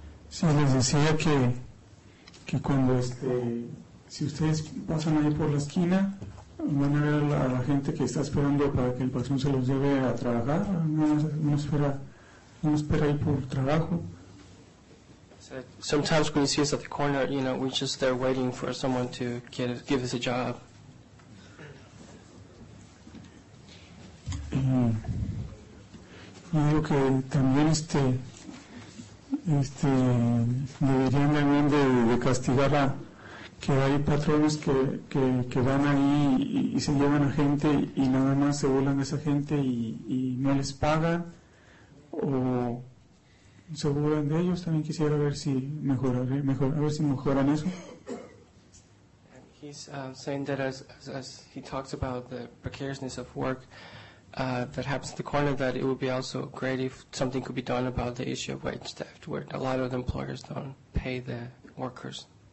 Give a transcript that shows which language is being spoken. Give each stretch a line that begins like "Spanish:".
Spanish: Sí, les decía que cuando si ustedes pasan ahí por la esquina, van a ver a la gente que está esperando para que el patrón se los lleve a trabajar. No espera ahí por trabajo.
English: So sometimes when you see us at the corner, you know, we're just there waiting for someone to give us a job.
Spanish: Y digo que también deberían también de castigar a que hay patrones que van ahí y se llevan a gente y nada más se burlan de esa gente y no les pagan o se burlan de ellos. También quisiera ver si mejoran eso.
English: He's saying that as he talks about the precariousness of work that happens at the corner, that it would be also great if something could be done about the issue of wage theft, where a lot of the employers don't pay the workers.